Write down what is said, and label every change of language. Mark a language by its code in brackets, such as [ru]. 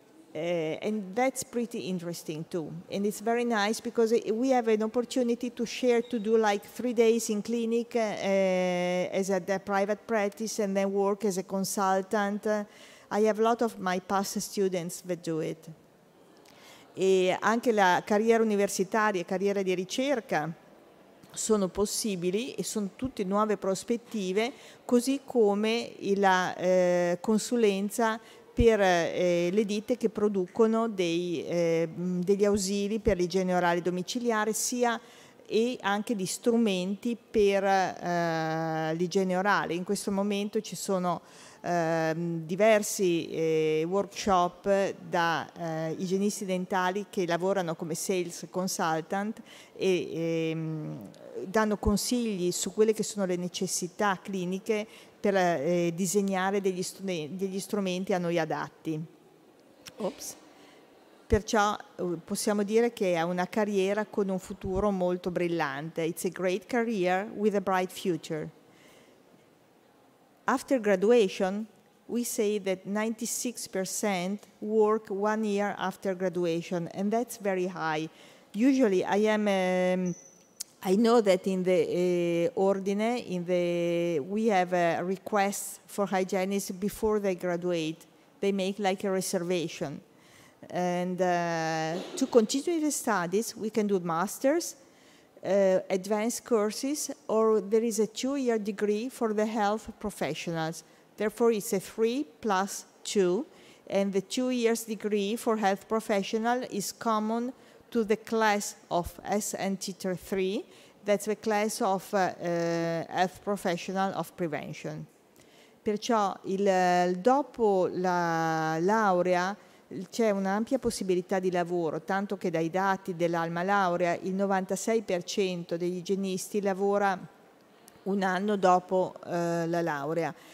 [en] And that's pretty interesting too. And it's very nice because we have an opportunity to share, to do like 3 days in clinic as a private practice and then work as a consultant. I have a lot of my past students that do it. [it] E anche la carriera universitaria, carriera di ricerca sono possibili e sono tutte nuove prospettive, così come la consulenza per le ditte che producono degli ausili per l'igiene orale domiciliare, sia e anche di strumenti per l'igiene orale. In questo momento ci sono diversi workshop da igienisti dentali che lavorano come sales consultant e danno consigli su quelle che sono le necessità cliniche per disegnare degli strumenti a noi adatti. Oops. Perciò possiamo dire che è una carriera con un futuro molto brillante. [en] It's a great career with a bright future. After graduation, we say that 96% work 1 year after graduation, and that's very high. Usually, I know that in the ordine, we have a request for hygienists before they graduate. They make like a reservation. And to continue the studies, we can do masters, advanced courses, or there is a 2-year degree for the health professionals. Therefore, it's a 3+2, and the 2 years degree for health professional is common to the class of SNT3, that's the class of health professional of prevention. [it] Perciò dopo la laurea c'è un'ampia possibilità di lavoro, tanto che dai dati dell'Alma Laurea il 96% degli igienisti lavora un anno dopo la laurea.